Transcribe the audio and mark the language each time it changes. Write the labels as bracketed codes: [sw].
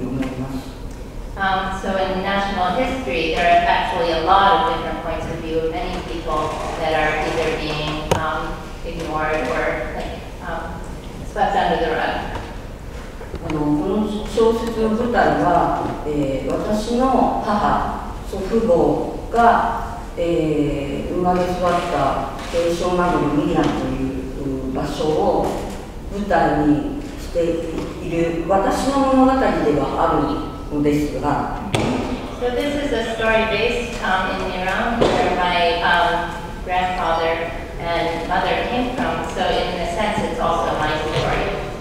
[en] So in national history, there are actually a lot of different points of view of many people that are either being ignored or swept under the rug. [ja] この小説の舞台は、私の母、祖父母が、生まれ育った提唱などのミリアンという場所を舞台にしている私の物語ではあるのですが、 [en] So this is a story based in Iran where my grandfather and mother came from. So in a sense, it's also my story.